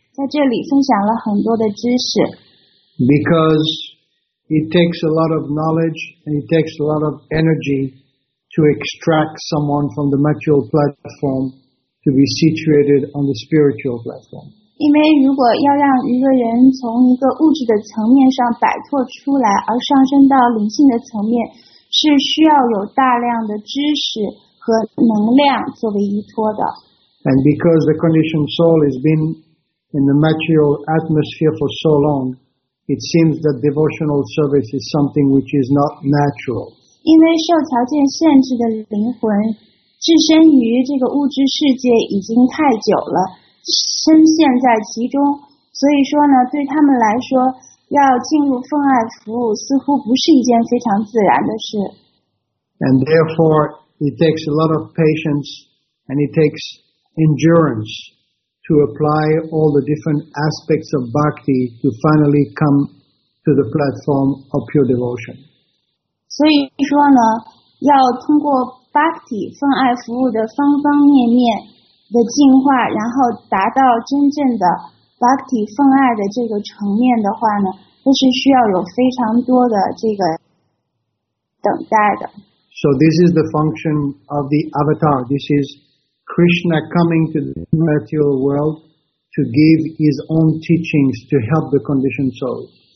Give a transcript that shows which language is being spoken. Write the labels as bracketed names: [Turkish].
[Chinese] 在这里分享了很多的知识。 [English] Because it takes a lot of knowledge and it takes a lot of energy to extract someone from the material platform to be situated on the spiritual platform. [Chinese] 因为如果要让一个人从一个物质的层面上摆脱出来而上升到灵性的层面是需要有大量的知识和能量作为依托的。 [English] And because the conditioned soul has been in the material atmosphere for so long, it seems that devotional service is something which is not natural. [Chinese] 因为受条件限制的灵魂置身于这个物质世界已经太久了。深陷在其中，所以说呢，对他们来说，要进入奉爱服务似乎不是一件非常自然的事。 [English] And therefore, it takes a lot of patience and it takes endurance to apply all the different aspects of bhakti to finally come to the platform of pure devotion. [Chinese] 所以说呢，要通过 bhakti 奉爱服务的方方面面。的进化，然后达到真正的 bhakti 奉爱的这个层面的话呢，都是需要有非常多的这个等待的。 [English] So this is the function of the avatar. This is Krishna coming to the material world to give his own teachings to help the conditioned souls.